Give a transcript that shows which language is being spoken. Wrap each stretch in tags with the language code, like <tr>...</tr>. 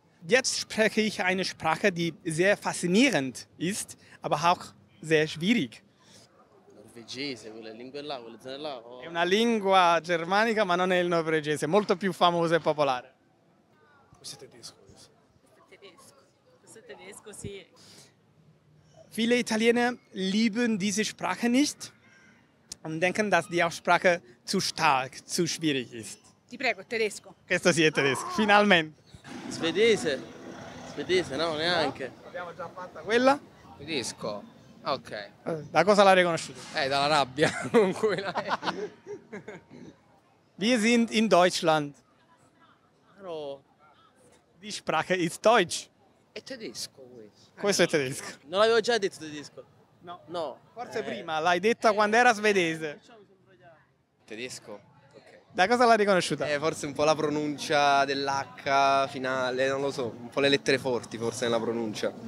<de>Jetzt spreche ich eine Sprache, die sehr faszinierend ist, aber auch sehr schwierig.</de> <it>Norvegese, quella lingua là, quella zona là. È una lingua germanica, ma non è il norvegese, molto più famosa e popolare. Questo è tedesco. Questo è tedesco, sì.</it> <de>Viele Italiener lieben diese Sprache nicht und denken, dass die Aussprache zu stark, zu schwierig ist.</de> <it>Ti prego, è tedesco. Questo sì, è tedesco, finalmente. Svedese, no, neanche. Abbiamo già fatta quella? Tedesco, ok. Da cosa l'hai riconosciuta? Dalla rabbia con cui l'hai.</it> <de>Wir sind in Deutschland.</de> <it>Però...</it> <de>Die Sprache ist Deutsch.</de> <it>È tedesco questo. Questo è tedesco. Non l'avevo già detto tedesco? No. Forse prima, l'hai detta quando era svedese. Tedesco? Da cosa l'ha riconosciuta? Forse un po' la pronuncia dell'H finale, non lo so, un po' le lettere forti forse nella pronuncia.</it>